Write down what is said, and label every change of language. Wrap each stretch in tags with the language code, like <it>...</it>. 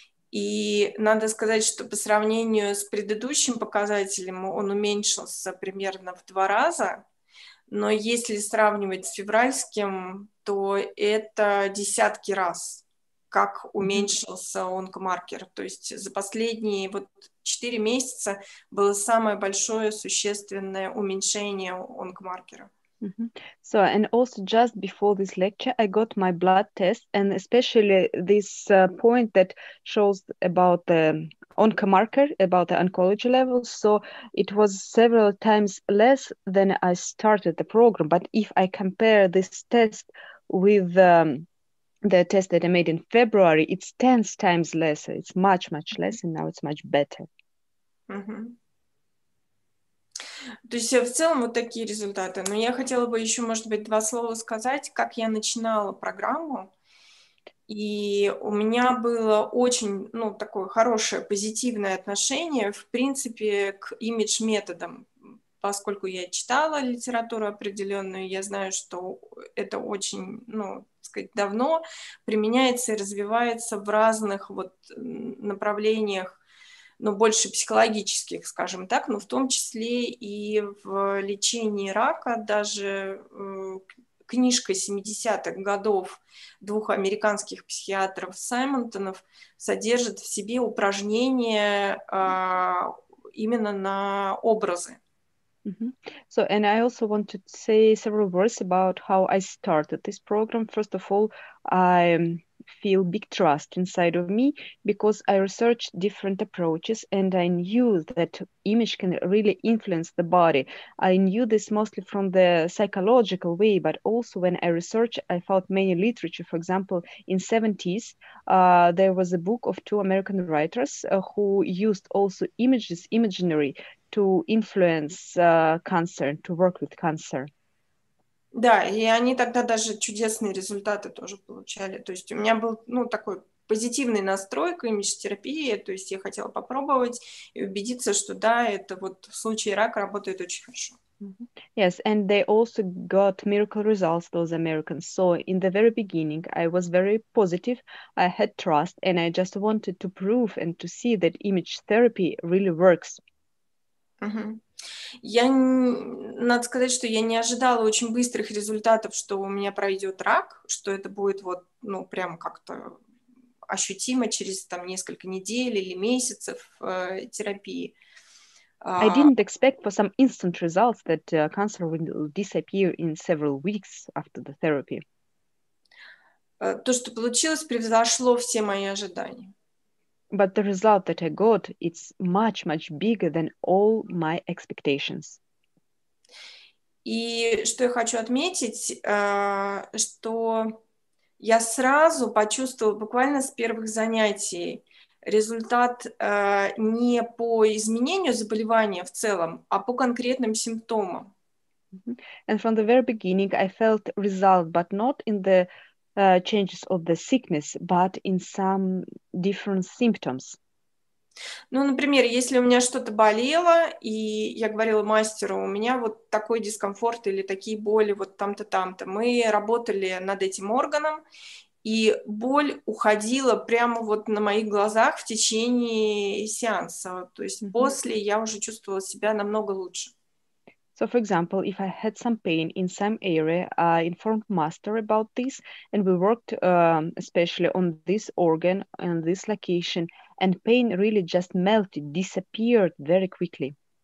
<ru>И надо сказать, что по сравнению с предыдущим показателем он уменьшился примерно в 2 раза, но если сравнивать с февральским, то это десятки раз. Как уменьшился онкомаркер. То есть за последние вот 4 месяца было самое большое существенное уменьшение онкомаркера.</ru> <en>So, and also just before this lecture, I got my blood test, and especially this point that shows about the onco-marker, about the oncology level. So it was several times less than I started the program. But if I compare this test with the test that I made in February, it's 10 times less. It's much less, and now it's much better.</en> <ru>То есть в целом вот такие результаты. Но я хотела бы еще, может быть, 2 слова сказать, как я начинала программу. И у меня было очень, ну, такое хорошее, позитивное отношение, в принципе, к имидж-методам. Поскольку я читала литературу определенную, я знаю, что это очень, ну, так сказать, давно применяется и развивается в разных вот направлениях, но больше психологических, скажем так, но в том числе и в лечении рака. Даже книжка 70-х годов 2 американских психиатров Саймонтонов содержит в себе упражнения именно на образы.</ru> <en>So, and I also want to say several words about how I started this program. First of all, I feel big trust inside of me because I researched different approaches and I knew that image can really influence the body. I knew this mostly from the psychological way, but also when I researched, I found many literature. For example, in 70s, there was a book of 2 American writers who used also images, imaginary, to influence cancer, to work with cancer.</en> <ru>Да, и они тогда даже чудесные результаты тоже получали. То есть у меня был, ну, такой позитивный настрой к имидж-терапии, то есть я хотела попробовать и убедиться, что да, это вот в случае рака работает очень хорошо.</ru> <en>Yes, and they also got miracle results, those Americans. So in the very beginning, I was very positive, I had trust, and I just wanted to prove and to see that image therapy really works.</en> <ru>Я, надо сказать, что я не ожидала очень быстрых результатов, что у меня пройдет рак, что это будет вот, ну, прям как-то ощутимо через там несколько недель или месяцев терапии.</ru> <en>I didn't expect for some instant results that cancer will disappear in several weeks after the therapy.</en> <ru>То, что получилось, превзошло все мои ожидания.</ru> <en>But the result that I got, it's much bigger than all my expectations.</en> <ru>И что я хочу отметить, что я сразу почувствовала буквально с первых занятий результат не по изменению заболевания в целом, а по конкретным симптомам.</ru> <en>And from the very beginning, I felt result, but not in the changes of the sickness, but in some different symptoms.</en> <ru>Ну, например, если у меня что-то болело, и я говорила мастеру, у меня вот такой дискомфорт или такие боли вот там-то, там-то. Мы работали над этим органом, И боль уходила прямо вот на моих глазах в течение сеанса. То есть после я уже чувствовала себя намного лучше.</ru> <en>So, for example, if I had some pain in some area, I informed master about this, and we worked especially on this organ and this location, and pain really just melted, disappeared very quickly.</en>